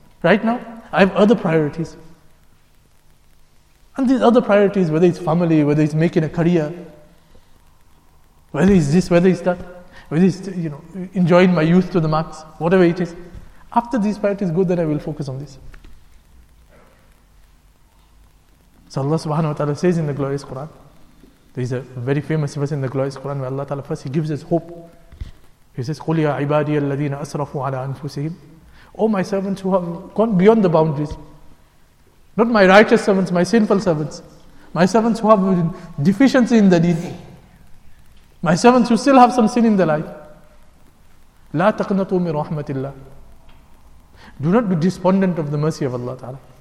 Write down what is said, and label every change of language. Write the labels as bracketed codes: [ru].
[en] Right now, I have other priorities. And these other priorities, whether it's family, whether it's making a career, whether it's this, whether it's that, whether it's, you know, enjoying my youth to the max, whatever it is. After these priorities go, then I will focus on this. So Allah subhanahu wa ta'ala says in the glorious Quran, there is a very famous verse in the glorious Quran where Allah Ta'ala first He gives us hope. He says, [ar] قُلْ يَا عِبَادِيَ الَّذِينَ أَسْرَفُوا عَلَىٰ أَنفُسِهِمْ. [en] Oh, my servants who have gone beyond the boundaries. Not my righteous servants, my sinful servants. My servants who have deficiency in the deen. My servants who still have some sin in their life. [ar] لَا تَقْنَطُوا مِنْ رَحْمَةِ اللَّهِ. [en] Do not be despondent of the mercy of Allah Ta'ala.